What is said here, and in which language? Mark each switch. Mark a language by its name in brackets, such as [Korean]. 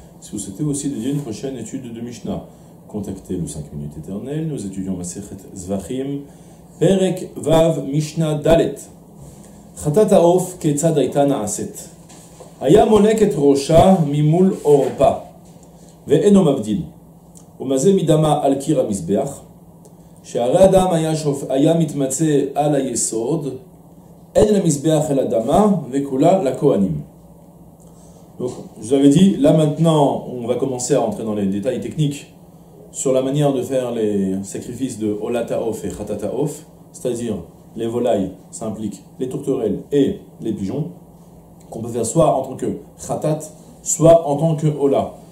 [French] Si vous souhaitez aussi dédier une prochaine étude de Mishnah, contactez le 5 minutes éternel, nous étudions Masechet Zvachim, Perek Vav Mishnah Dalet, [Hebrew] Chatat Aof, Ketzad Aitana Aset, Aya Moleket Rosha, Mimul Orpa. ואינו מבדיל, ומזה מדמה על קיר המזבח, שהרי הדם היה, היה מתמצא על היסוד, אין למזבח אל הדמה, וכולה לכהנים. [French] Donc, je vous avais dit, là maintenant, on va commencer à rentrer dans les détails techniques sur la manière de faire les sacrifices de Olataof et Khatataof, c'est-à-dire les volailles, ça implique les tourterelles et les pigeons, qu'on peut faire soit en tant que Khatat, soit en tant que Ola.